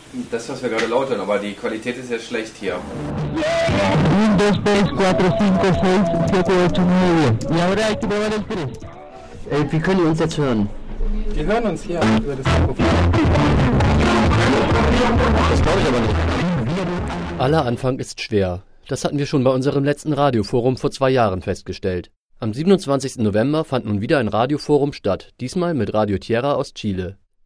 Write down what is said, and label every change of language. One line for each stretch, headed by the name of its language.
German: Das, was wir gerade lautern, aber die Qualität ist ja schlecht hier. 1, 2, 3, 4, 5, 6, 7, 8, 9.
Spanish: Y ahora hay que probar el 3.
German: Wir können uns jetzt hören. Wir hören uns hier über das Mikrofon. Das glaube ich aber nicht. Aller Anfang ist schwer. Das hatten wir schon bei unserem letzten Radioforum vor 2 Jahren festgestellt. Am 27. November fand nun wieder ein Radioforum statt, diesmal mit Radio Tierra aus Chile.